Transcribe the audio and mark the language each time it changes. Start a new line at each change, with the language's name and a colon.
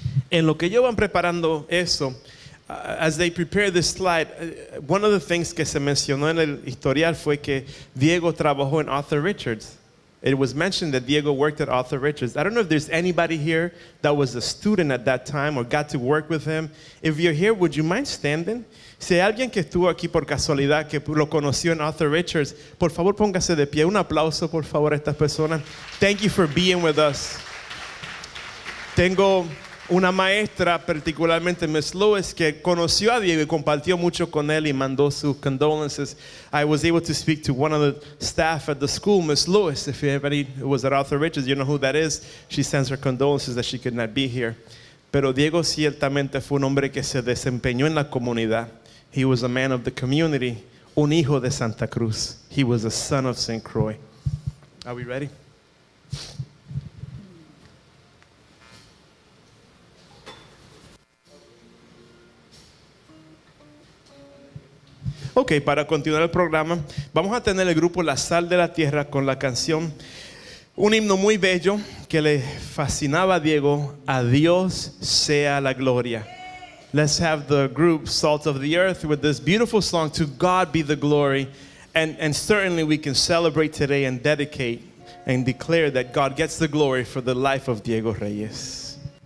Spanish: En lo que ellos van preparando eso,
English: as they prepare this slide, one of the things
Spanish: que se mencionó en el historial fue que Diego trabajó en Arthur Richards.
English: It was mentioned that Diego worked at Arthur Richards. I don't know if there's anybody here that was a student at that time or got to work with him. If you're here, would you mind standing?
Spanish: Si hay alguien que estuvo aquí por casualidad, que lo conoció en Arthur Richards, por favor póngase de pie. Un aplauso, por favor, a estas personas.
English: Thank you for being with us.
Spanish: Tengo una maestra, particularmente Miss Lewis, que conoció a Diego y compartió mucho con él y mandó sus condolences.
English: I was able to speak to one of the staff at the school, Miss Lewis. If anybody was at Arthur Richards, you know who that is. She sends her condolences that she could not be here.
Spanish: Pero Diego ciertamente fue un hombre que se desempeñó en la comunidad.
English: He was a man of the community,
Spanish: un hijo de Santa Cruz.
English: He was a son of St. Croix. Are we ready?
Spanish: Ok, para continuar el programa, vamos a tener el grupo La Sal de la Tierra con la canción, un himno muy bello que le fascinaba a Diego, A Dios Sea la Gloria.
English: Let's have the group Salt of the Earth with this beautiful song, To God Be the Glory. And certainly we can celebrate today and dedicate and declare that God gets the glory for the life of Diego Reyes.